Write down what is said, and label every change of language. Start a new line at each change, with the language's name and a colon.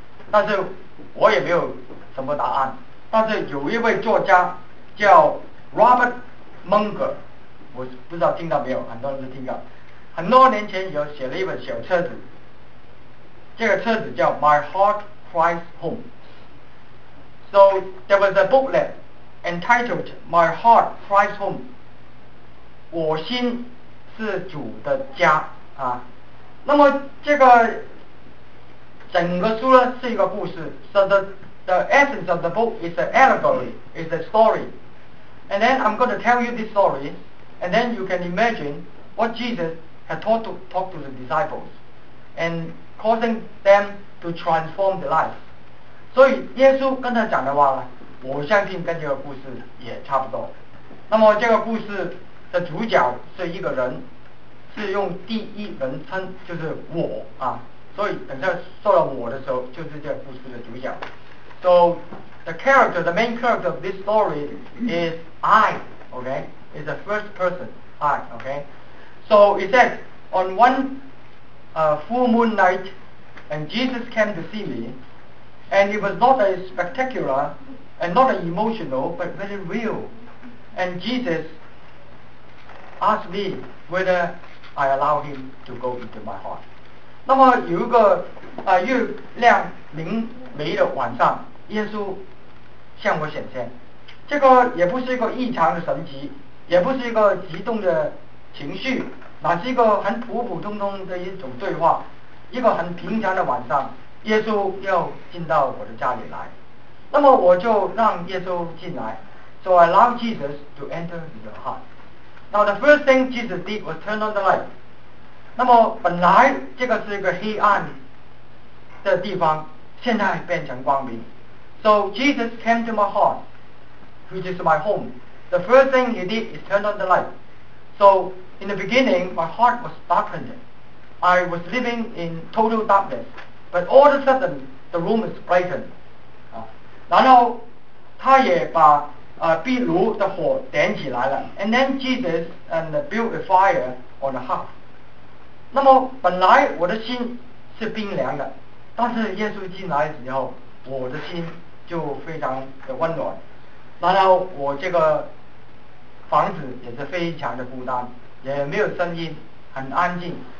Chinese: 但是我也没有什么答案，但是有一位作家叫 Robert Munger， 我不知道听到没有，很多人都听到，很多年前有写了一本小册子，这个册子叫 My Heart Cries Home。
English: So there was a booklet entitled My Heart Cries Home，
Chinese: 我心是主的家啊。那么这个整个书呢是一个故事。
English: So the essence of the book is an allegory, is a story, and then I'm going to tell you this story, and then you can imagine what Jesus had talked to the disciples and causing them to transform their lives。
Chinese: 所以耶稣跟他讲的话呢，我相信跟这个故事也差不多。那么这个故事的主角是一个人，是用第一人称，就是我啊。所以等下说了我的时候，就是这个故事的主角。
English: So the character, the main character of this story is I, okay? It's the first person, I, okay? So it says, on one full moon night, and Jesus came to see me,And it was not as spectacular and not as emotional, but very real. And Jesus asked me whether I allow him to go into my heart.
Chinese: 那么有一个月亮明媚的晚上，耶稣向我显现。这个也不是一个异常的神迹，也不是一个激动的情绪，乃是一个很普普通通的一种对话，一个很平常的晚上。耶稣要进到我的家里来，那么我就让耶稣进来。
English: So I allow Jesus to enter into the heart. Now the first thing Jesus did was turn on the light.
Chinese: 那么本来这个是一个黑暗的地方，现在变成光明。
English: So Jesus came to my heart, which is my home. The first thing he did is turn on the light. So in the beginning, my heart was darkened. I was living in total darkness. But all of a sudden, the room is brightened.
Chinese: 然后他也把壁炉的火点起来了。
English: And then Jesus and built a fire on the hearth.
Chinese: 那么本来我的心是冰凉的，但是耶稣进来的时候，我的心就非常的温暖。然后我这个房子也是非常的孤单，也没有声音，很安静。